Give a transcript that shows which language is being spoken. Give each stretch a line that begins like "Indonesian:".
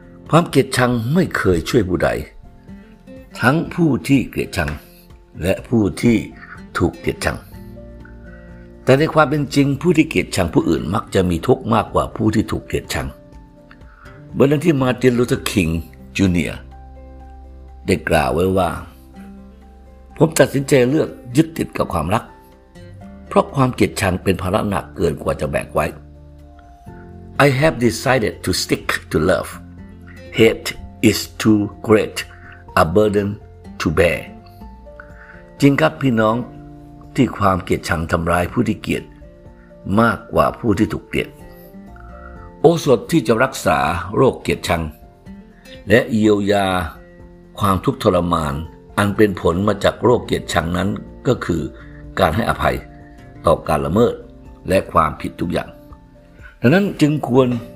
Thai: ความเกลียดชังไม่เคยช่วยผู้ใดทั้งผู้ที่เกลียดชังและผู้ที่ถูกเกลียดชังแต่ในความเป็นจริงผู้ที่เกลียดชังผู้อื่นมักจะมีทุกข์มากกว่าผู้ที่ถูกเกลียดชังเหมือนดังที่มาร์ตินลูเธอร์คิงจูเนียร์ได้กล่าวไว้ว่าผมตัดสินใจเลือกยึดติดกับความรักเพราะความเกลียดชังเป็นภาระหนักเกินกว่าจะแบกไว้ I have decided to stick to love.
English: Hate is too great a burden to bear.
Thai: จริงครับพี่น้องที่ความเกลียดชังทำร้ายผู้ที่เกลียดมากกว่าผู้ที่ถูกเกลียดโอสถที่จะรักษาโรคเกลียดชังและเยียวยาความทุกข์ทรมานอันเป็นผลมาจากโรคเกลียดชังนั้นก็คือการให้อภัยต่อการละเมิดและความผิดทุกอย่างดังนั้นจึงควร